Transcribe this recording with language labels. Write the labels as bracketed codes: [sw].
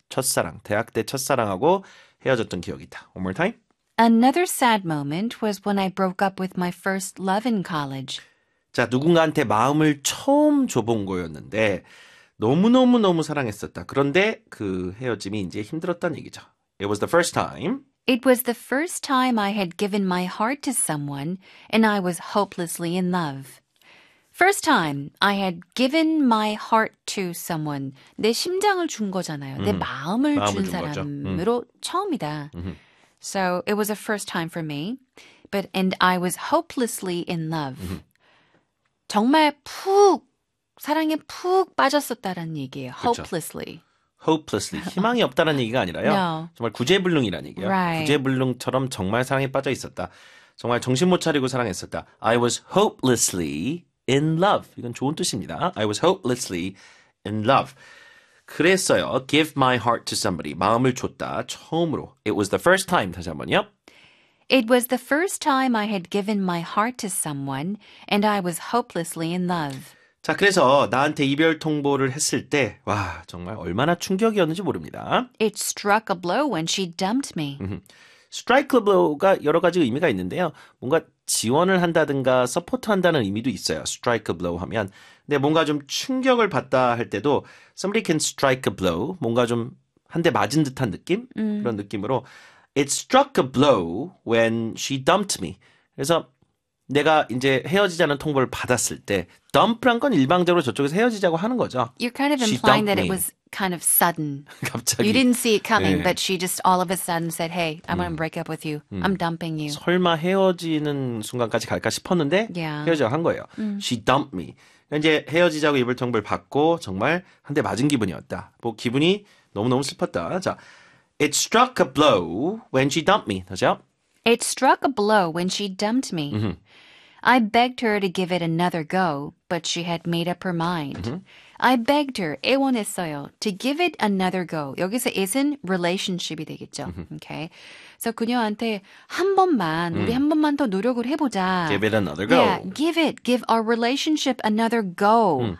[ko] 첫사랑. 대학 때 첫사랑하고 헤어졌던 기억이다. [en] One more time. Another sad moment was when I broke up with my first love in college. [ko] 자, 누군가한테 마음을 처음 줘본 거였는데 너무너무너무 사랑했었다. 그런데 그 헤어짐이 이제 힘들었다는 얘기죠. [en] It was the first time. It was the first time I had given my heart to someone and I was hopelessly in love. First time I had given my heart to someone. [ko] 내 심장을 준 거잖아요. 내 마음을 준 사람으로 처음이다. [en] So it was a first time for me. And I was hopelessly in love. [ko] 정말 푹 사랑에 푹 빠졌었다라는 얘기예요. [en] Hopelessly. [ko] 그렇죠. [en] Hopelessly. [ko] 희망이 없다는 얘기가 아니라요. [en] No. [ko] 정말 구제불능이라는 얘기예요. [en] Right. [ko] 구제불능처럼 정말 사랑에 빠져 있었다. 정말 정신 못 차리고 사랑했었다. [en] I was hopelessly in love. [ko] 이건 좋은 뜻입니다. [en] I was hopelessly in love. [ko] 그랬어요. [en] Give my heart to somebody. [ko] 마음을 줬다. 처음으로. [en] It was the first time. [ko] 다시 한번요. [en] It was the first time I had given my heart to someone and I was hopelessly in love. [ko] 자, 그래서 나한테 이별 통보를 했을 때 와, 정말 얼마나 충격이었는지 모릅니다. [en] It struck a blow when she dumped me. Strike a blow [ko] 가 여러 가지 의미가 있는데요. 뭔가 지원을 한다든가 서포트한다는 의미도 있어요. [en] Strike a blow [ko] 하면. 근데 뭔가 좀 충격을 받다 할 때도 [en] somebody can strike a blow. [ko] 뭔가 좀 한 대 맞은 듯한 느낌? 그런 느낌으로 [en] It struck a blow when she dumped me. [ko] 그래서 내가 이제 헤어지자는 통보를 받았을 때 dump란 건 일방적으로 저쪽에서 헤어지자고 하는 거죠. [en] You're kind of implying that it was kind of sudden. [ko] 갑자기. [en] You didn't see it coming, [ko] 네. [en] but she just all of a sudden said, hey, I'm going to break up with you. I'm dumping you. [ko] 설마 헤어지는 순간까지 갈까 싶었는데 [en] yeah. [ko] 헤어지자고 한 거예요. [en] She dumped me. [ko] 이제 헤어지자고 이별 통보를 받고 정말 한 대 맞은 기분이었다. 뭐 기분이 너무너무 슬펐다. [en] 자, It struck a blow when she dumped me. [ko] 다시요. [en] It struck a blow when she dumped me. I begged her to give it another go, but she had made up her mind. Mm-hmm. I begged her, [ko] 애원했어요, [en] to give it another go. [ko] 여기서 is은 relationship이 되겠죠. Mm-hmm. Okay. So 그녀한테 한 번만, 우리 한 번만 더 노력을 해보자. [en] Give it another go. Yeah, give it, give our relationship another go.